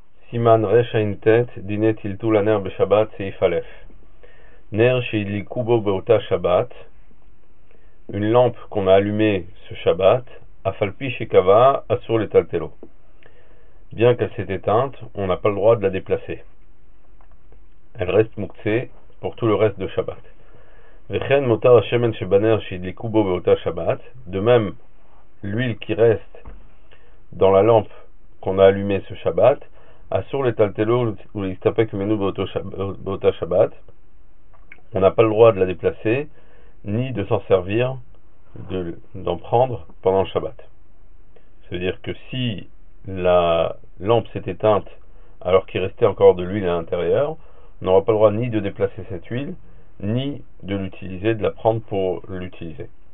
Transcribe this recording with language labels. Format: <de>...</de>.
<he>סימן רשע ט, דיני טלטול הנר בשבת, סעיף א. נר שהדליקו בו באותה שבת,</he> <fr>une lampe qu'on a allumée ce Shabbat,</fr> <he>אף על פי שקבע, אסור לטלטלו.</he> <fr>Bien qu'elle s'est éteinte, on n'a pas le droit de la déplacer. Elle reste mouktsé pour tout le reste de Shabbat.</fr> <he>וכן מותר השמן שבנר שהדליקו בו באותה שבת,</he> <fr>de même, l'huile qui reste dans la lampe qu'on a allumée ce Shabbat,</fr> <he>אסור לטלטלו ולהסתפק ממנו באותה שבת.</he> <fr>On n'a pas le droit de la déplacer, ni de s'en servir, d'en prendre pendant le Shabbat. C'est-à-dire que si la lampe s'est éteinte alors qu'il restait encore de l'huile à l'intérieur, on n'aura pas le droit ni de déplacer cette huile, ni de l'utiliser, de la prendre pour l'utiliser.</fr>